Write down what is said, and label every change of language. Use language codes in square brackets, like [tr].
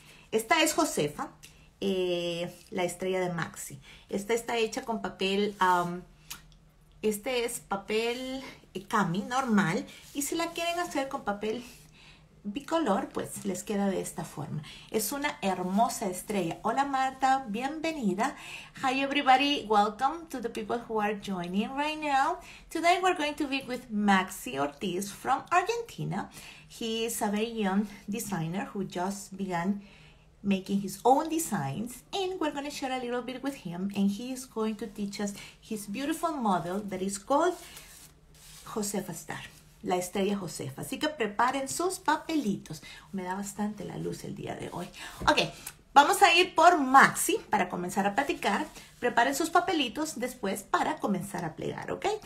[es] Esta es Josefa, la estrella de Maxi. Esta está hecha con papel... Este es papel cami normal y si la quieren hacer con papel bicolor, pues les queda de esta forma. Es una hermosa estrella. Hola Marta, bienvenida. [en] Hi everybody, welcome to the people who are joining right now. Today we're going to be with Maxi Ortiz from Argentina. He is a very young designer who just began making his own designs, and we're going to share a little bit with him, and he is going to teach us his beautiful model that is called Josefa Star, [es] la estrella Josefa. Así que preparen sus papelitos. Me da bastante la luz el día de hoy. Ok, vamos a ir por Maxi para comenzar a platicar. Preparen sus papelitos después para comenzar a plegar, ok.